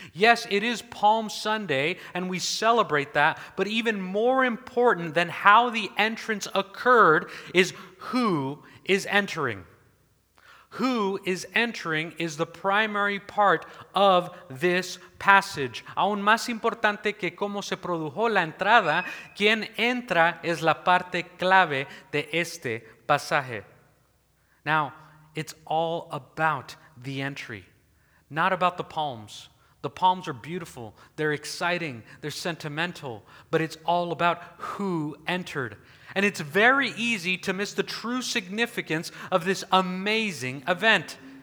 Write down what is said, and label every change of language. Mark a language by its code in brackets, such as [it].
[en] Yes, it is Palm Sunday, and we celebrate that, but even more important than how the entrance occurred is who is entering. Who is entering is the primary part of this passage. [es] Aún más importante que cómo se produjo la entrada, quién entra es la parte clave de este pasaje. [en] Now, it's all about the entry, not about the palms. The palms are beautiful, they're exciting, they're sentimental, but it's all about who entered. And it's very easy to miss the true significance of this amazing event.